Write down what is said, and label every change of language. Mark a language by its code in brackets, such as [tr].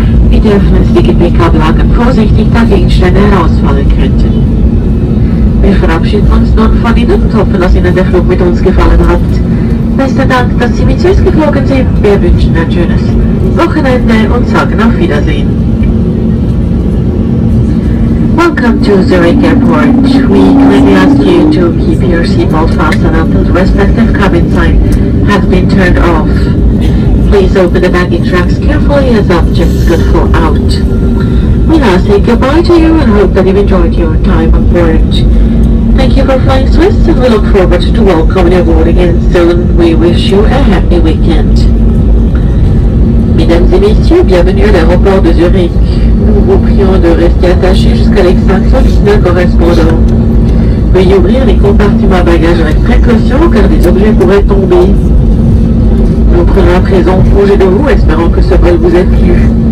[de] Bitte öffnen Sie die Gepäckablage vorsichtig, da Gegenstände herausfallen könnten. Wir verabschieden uns nun von Ihnen und hoffen, dass Ihnen der Flug mit uns gefallen hat. Besten Dank, dass Sie mit Zürich geflogen sind. Wir wünschen ein schönes Wochenende und sagen auf Wiedersehen. [en] Welcome to Zurich Airport. We kindly ask you to keep your seatbelt fastened until the respective cabin sign has been turned off. Please open the baggage racks carefully as objects could fall out. We now say goodbye to you and hope that you've enjoyed your time aboard. Thank you for flying Swiss and we look forward to welcoming you aboard again soon. We wish you a happy weekend. [fr] Mesdames et messieurs, bienvenue à l'aéroport de Zurich. Nous vous prions de rester attachés jusqu'à l'extinction du signal correspondant. Veuillez ouvrir les compartiments bagages avec précaution car des objets pourraient tomber. Nous prenons à présent congé de vous, espérant que ce vol vous ait plu.